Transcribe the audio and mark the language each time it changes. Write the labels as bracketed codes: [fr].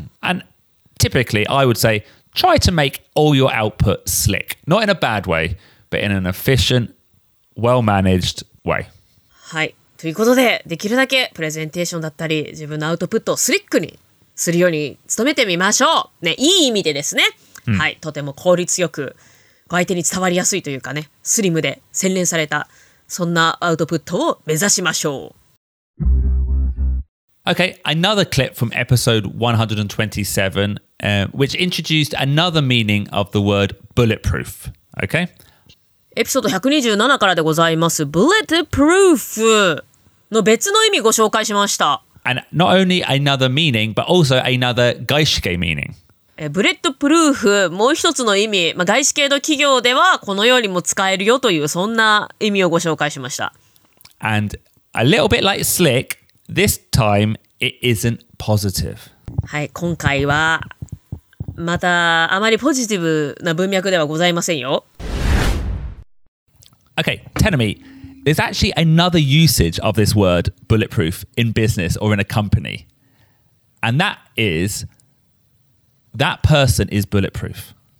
[en] And typically, I would say, try to make all your output slick. Not in a bad way, but in an efficient, well-managed way. [ja] はい。ということで、できるだけプレゼンテーションだったり、自分のアウトプットをスリックにするように努めてみましょう。ね、いい意味でですね。はい。とても効率よく、相手に伝わりやすいというかね、スリムで洗練された、そんなアウトプットを目指しましょう。 [en] Okay, another clip from episode 127, which introduced another meaning of the word bulletproof. Okay? [ja] Episode 127からでございます。Bulletproof の別の意味ご紹介しました。 [en] And not only another meaning, but also another 外資系 meaning. [ja] Bulletproof, もう一つの意味、まあ、外資系の企業ではこのようにも使えるよというそんな意味をご紹介しました。 [en] And a little bit like slick,This time, it isn't positive. [ja] はい、今回はまたあまりポジティブな文脈ではございませんよ。 [en] Okay, Tenami, there's actually another usage of this word bulletproof in business or in a company. And that is, that person is bulletproof.